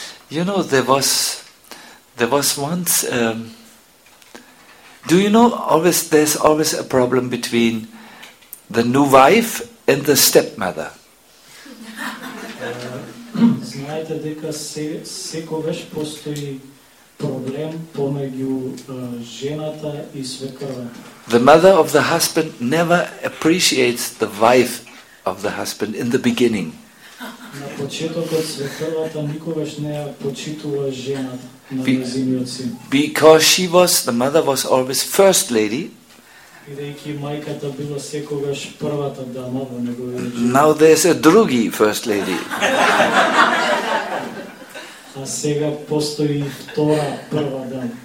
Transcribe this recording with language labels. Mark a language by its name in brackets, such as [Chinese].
[English] You know, there was once do you know, always there's always a problem between the new wife and the stepmother. [Macedonian] Знаете дека секогаш постои проблем помеѓу жената и свекрва. [English] The mother of the husband never appreciates the wife of the husband in the beginning. [Macedonian] На почетокот свекрвата никогаш не почитува жената на нејзиниот син. [English] Because she was, the mother was always first lady. [Macedonian] Бидејќи мајката била секогаш првата дама во неговиот живот. [English] Now there's a [Macedonian] други [English] first lady. А сега постои втора прва дама.